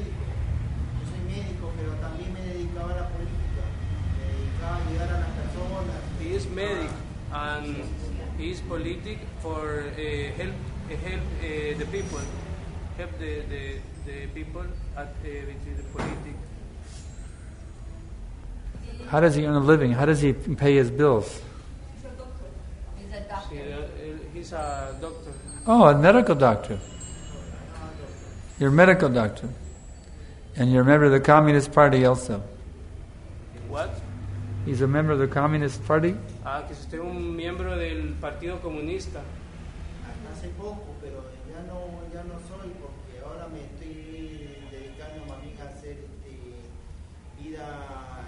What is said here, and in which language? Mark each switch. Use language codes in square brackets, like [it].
[es] Yo soy médico, pero también me dedicaba a la política. Me dedicaba a ayudar a las personas. [en] He is medic and he is politic for help the people. Help the people at between the politics. How does he earn a living? How does he pay his bills? He's a doctor. Oh, a medical doctor. You're a medical doctor. And you're a member of the Communist Party also. What? He's a member of the Communist Party? [es] Ah, que usted es un miembro del Partido Comunista. Hace poco, pero ya no soy, porque ahora me estoy dedicando a mi hacer vida.